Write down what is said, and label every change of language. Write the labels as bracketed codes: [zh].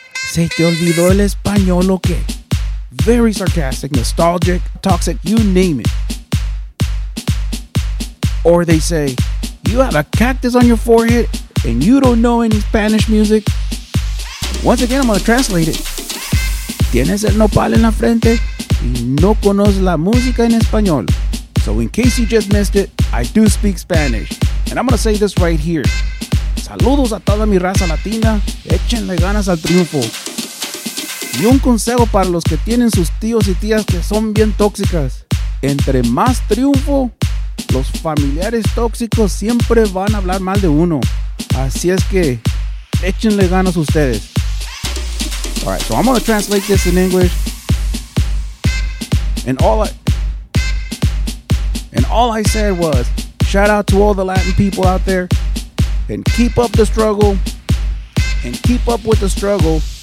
[es] "Se te olvidó el español o qué?" [en] Very sarcastic, nostalgic, toxic, you name it. Or they say, "You have a cactus on your forehead and you don't know any Spanish music." Once again, I'm going to translate it. [es] "Tienes el nopal en la frente y no conoces la música en español." [en] So in case you just missed it, I do speak Spanish. And I'm going to say this right here. [es] Saludos a toda mi raza latina. Échenle ganas al triunfo. Y un consejo para los que tienen sus tíos y tías que son bien tóxicas. Entre más triunfo, los familiares tóxicos siempre van a hablar mal de uno. Así es que, échenle ganas ustedes. [en] All right, so I'm going to translate this in English. And all I said was, shout out to all the Latin people out there. And keep up the struggle. And keep up with the struggle.